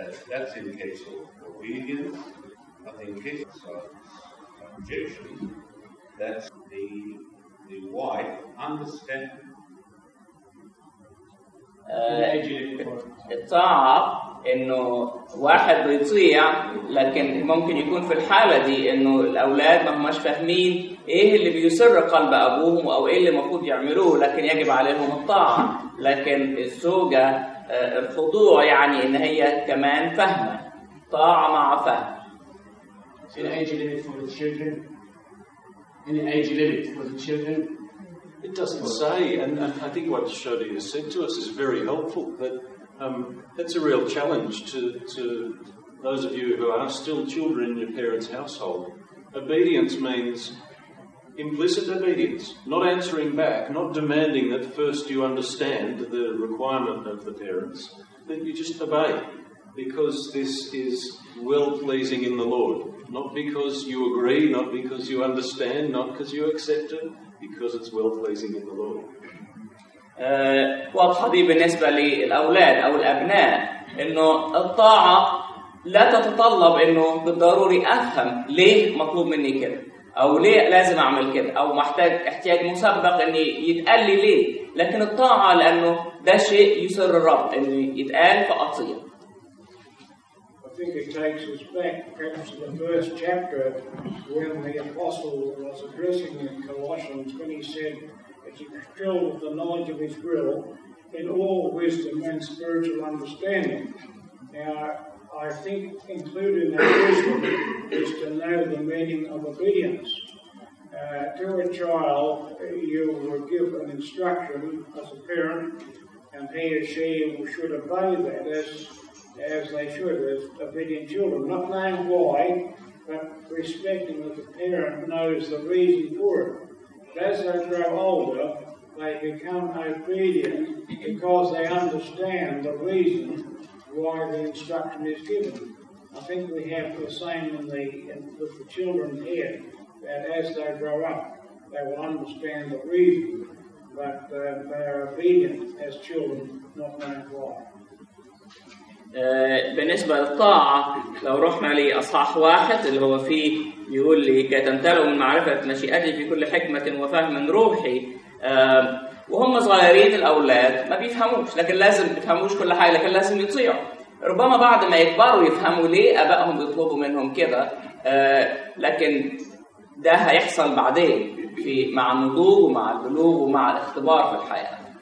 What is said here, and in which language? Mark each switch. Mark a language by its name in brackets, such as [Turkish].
[English] That's in case of obedience, but in case of subjection, that's the wife understand. [Arabic] الطاعة إنه واحد بيطيع لكن ممكن يكون في الحالة دي إنه الأولاد ما هماش فاهمين إيه اللي بيسر قلب أبوهم أو إيه اللي المفروض يعملوه لكن يجب عليهم الطاعة لكن الزوجة الخضوع يعني إن هي كمان فهمة طاعة مع فهم. [English] Any age limit for the children? Any age limit for the children? It doesn't say, and I think what Shodi has said to us is very helpful, but that's a real challenge to those of you who are still children in your parents' household. Obedience means implicit obedience, not answering back, not demanding that first you understand the requirement of the parents, that you just obey, because this is well-pleasing in the Lord, not because you agree, not because you understand, not because you accept it, because it's well-pleasing in the Lord. [Arabic] واضحة دي بالنسبة للأولاد أو الأبناء إنه الطاعة لا تتطلب إنه بالضروري أفهم ليه مطلوب مني كده أو ليه لازم أعمل كده أو محتاج احتياج مسبق إني يتقال لي ليه لكن الطاعة لأنه ده شيء يسر الرب إنه يتقال فأطيع. [English] I think it takes us back perhaps to the first chapter when the apostle was addressing the Colossians when he said that you are filled with the knowledge of his will in all wisdom and spiritual understanding. Now I think included in that wisdom is to know the meaning of obedience. To a child you were given an instruction as a parent and he or she should obey that as they should, as obedient children, not knowing why, but respecting that the parent knows the reason for it. But as they grow older, they become obedient because they understand the reason why the instruction is given. I think we have the same with the children here. and as they grow up, they will understand the reason, but they are obedient as children, not knowing why. [Arabic] بالنسبة للطاعة لو رحنا لأصحاح واحد اللي هو فيه يقول لي كي تمتلئوا من معرفة مشيئتي في كل حكمة وفهم روحي وهم صغيرين الأولاد ما بيفهموش لكن لازم بيفهموش كل حاجة لكن لازم يطيعوا ربما بعد ما يكبروا يفهموا ليه أبائهم بيطلبوا منهم كده لكن ده هيحصل بعدين في مع النضوج ومع البلوغ ومع الاختبار في الحياة.